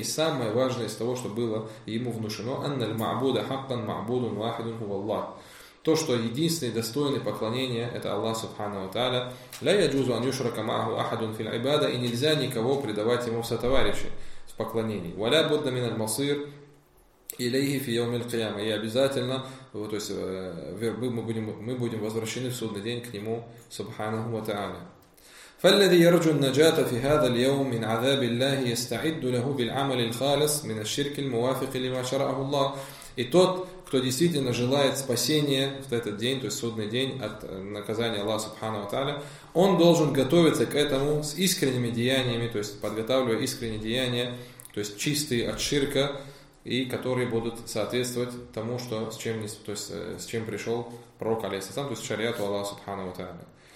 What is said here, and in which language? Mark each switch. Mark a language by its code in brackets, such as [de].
[ru] И самое важное из того, что было ему внушено: [ar] أَنَّ الْمَعْبُودَ حَقًّا مَعْبُودٌ وَاحِدٌ هُوَ اللَّهُ. [ru] То, что единственный достойный поклонения — это Аллах Субхану ва Тааля. [ar] لَا يَجُوزُ أَنْ يُشْرَكَ مَعَهُ أَحَدٌ فِي الْعِبَادَةِ. [ru] И нельзя никого предавать ему в сотоварищи в поклонении. [ar] وَلَا بُدَّ مِنَ الْمَصِيرِ إليه في يوم القيامة. [ru] И обязательно, то есть, мы будем возвращены в судный день к нему Субханаху ва Тааля. [ar] فالذي يرجو النجاة في هذا اليوم من عذاب الله يستعد له بالعمل الخالص من الشرك الموافق لما شرعه الله. [ru] И тот, кто действительно желает спасения в этот день, то есть судный день, от наказания Аллаха Субханаху ва Тааля, он должен готовиться к этому с искренними деяниями, то есть подготавливая искренние деяния, то есть чистые от ширка, и которые будут соответствовать тому, что, с чем пришел пророк алейхиссалям, то есть шариату Аллаха Субхану ва Тааля.